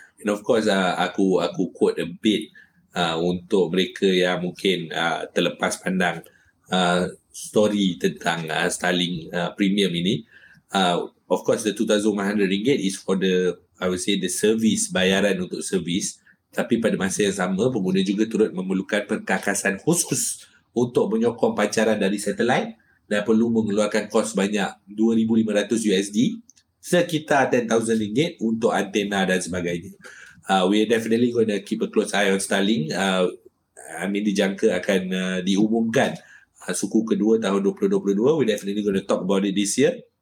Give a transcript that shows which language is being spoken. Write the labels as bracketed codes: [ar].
[en] And of course, [ms] aku [en] quote a bit [ms] untuk mereka yang mungkin terlepas pandang story tentang Starlink Premium ini. [en] Of course, the RM2,100 is for the, I would say, the service, [ms] bayaran untuk service. Tapi pada masa yang sama, pengguna juga turut memerlukan perkakasan khusus untuk menyokong pancaran dari satelit dan perlu mengeluarkan kos banyak $2,500 sekitar RM10,000 untuk antena dan sebagainya. [en] We are definitely going to keep a close eye on Starlink. I mean, [ms] dijangka akan diumumkan suku kedua tahun 2022. [en] We definitely going to talk about it this year.